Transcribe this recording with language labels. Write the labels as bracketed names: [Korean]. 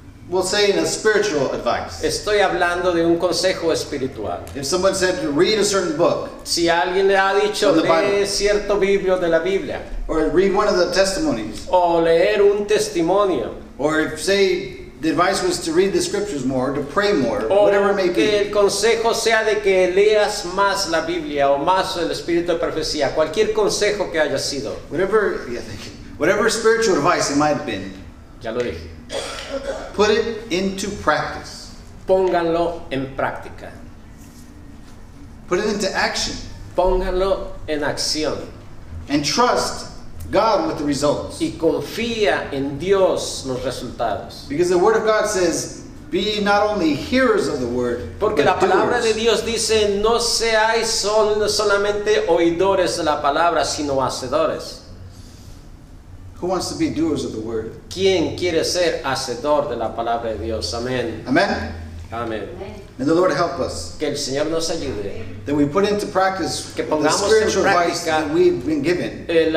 [English] We'll say in a spiritual advice. [Spanish] Estoy hablando de un consejo espiritual. [English] If someone said read a certain book. [Spanish] Si alguien le ha dicho lee cierto libro de la Biblia. [English] Or read one of the testimonies. [Spanish] O leer un testimonio. [English] Or if, say the advice was to read the scriptures more, to pray more, [Spanish] o [English] whatever it may [Spanish] que [English] be. [Spanish] El consejo sea de que leas más la Biblia o más el Espíritu de profecía. Cualquier consejo que haya sido. [English] Whatever, yeah, thank you. Whatever spiritual advice it might have been. [Spanish] Ya lo dije. [English] Put it into practice. [Spanish] Pónganlo en práctica. [English] Put it into action. [Spanish] Pónganlo en acción. [English] And trust God with the results. [Spanish] Y confía en Dios los resultados. [English] Because the Word of God says, be not only hearers of the Word, [Spanish] porque [English] but [Spanish] la palabra [English] doers. [Spanish] De Dios dice, no seáis solamente oidores de la palabra, sino hacedores. [English] Who wants to be doers of the Word? [Spanish] ¿Quién quiere ser hacedor de la palabra de Dios? Amén. Amén. Amén. [English] May the Lord help us. [Spanish] Que el Señor nos ayude. [English] That we put into practice [Spanish] que pongamos [English] the spiritual [Spanish] en práctica [English] advice that we've been given.